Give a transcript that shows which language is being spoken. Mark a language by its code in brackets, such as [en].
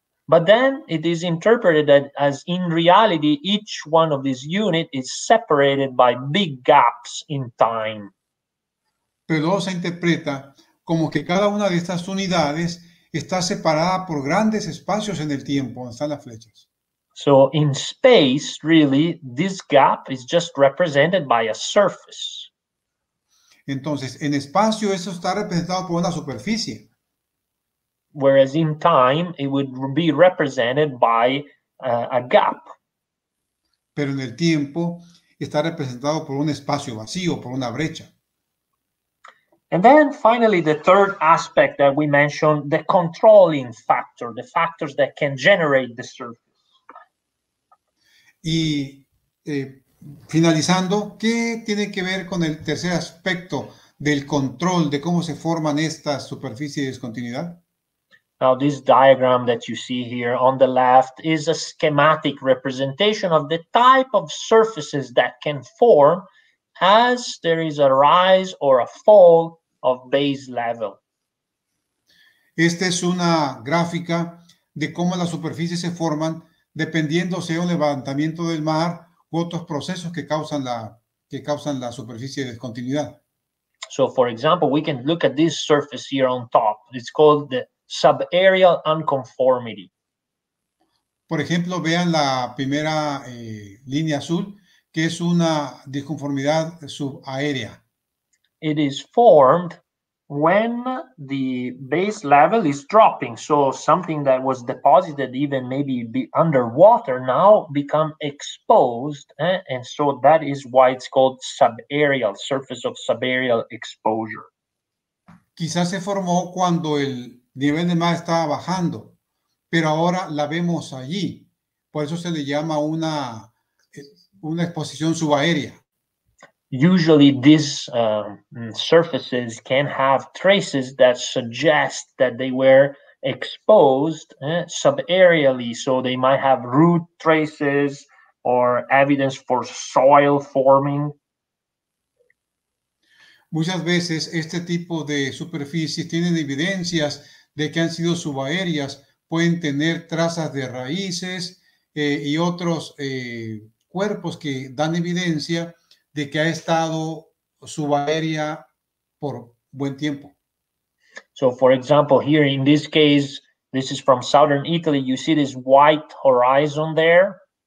[en] But then it is interpreted that as in reality, each one of these units is separated by big gaps in time. [es] Pero se interpreta como que cada una de estas unidades está separada por grandes espacios en el tiempo. ¿Dónde están las flechas? [en] So in space, really, this gap is just represented by a surface. [es] Entonces, en espacio, eso está representado por una superficie. [en] Whereas in time, it would be represented by a gap. [es] Pero en el tiempo, está representado por un espacio vacío, por una brecha. [en] And then finally, the third aspect that we mentioned, the controlling factor, the factors that can generate the surface. [es] Y finalizando, ¿qué tiene que ver con el tercer aspecto del control de cómo se forman estas superficies de discontinuidad? [en] Now, this diagram that you see here on the left is a schematic representation of the type of surfaces that can form as there is a rise or a fall of base level. [es] Esta es una gráfica de cómo las superficies se forman dependiendo sea un levantamiento del mar u otros procesos que causan la superficie de discontinuidad. [en] So for example, we can look at this surface here on top. It's called the subaerial unconformity. [es] Por ejemplo, vean la primera línea azul, que es una disconformidad subaérea. [en] It is formed when the base level is dropping, so something that was deposited even maybe underwater now become exposed, and so that is why it's called subaerial, surface of subaerial exposure. [es] Quizás se formó cuando el nivel del mar estaba bajando, pero ahora la vemos allí, por eso se le llama una exposición subaérea. [en] Usually these surfaces can have traces that suggest that they were exposed subaerially. So they might have root traces or evidence for soil forming. [es] Muchas veces este tipo de superficies tienen evidencias de que han sido subaéreas. Pueden tener trazas de raíces y otros cuerpos que dan evidencia de que ha estado subaérea por buen tiempo. [en] So, for example, here in this case, this is from southern Italy, you see this white horizon there.